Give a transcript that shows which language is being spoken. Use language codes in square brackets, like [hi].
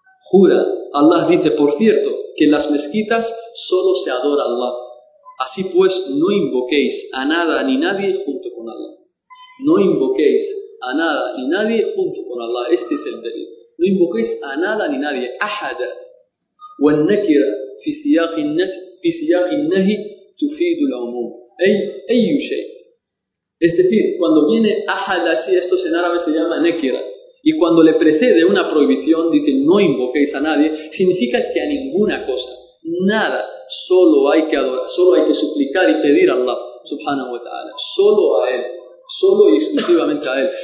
[es] Jura, Allah dice, por cierto, que en las mezquitas solo se adora a Allah. Así pues, no invoquéis a nada ni nadie junto con Allah. No invoquéis a nada ni nadie junto con Allah. Este es el delito. No invoquéis a nada ni nadie. [ar] Ahada. والنكرة في سياق النهي تفيد العموم. أي شيء. [es] Es decir, cuando viene ahada, sí, esto en árabe se llama nekira. Y cuando le precede una prohibición, dice no invoquéis a nadie, significa que a ninguna cosa, nada, solo hay que adorar, solo hay que suplicar y pedir a Allah, subhanahu wa ta'ala, solo a Él, solo y exclusivamente a Él.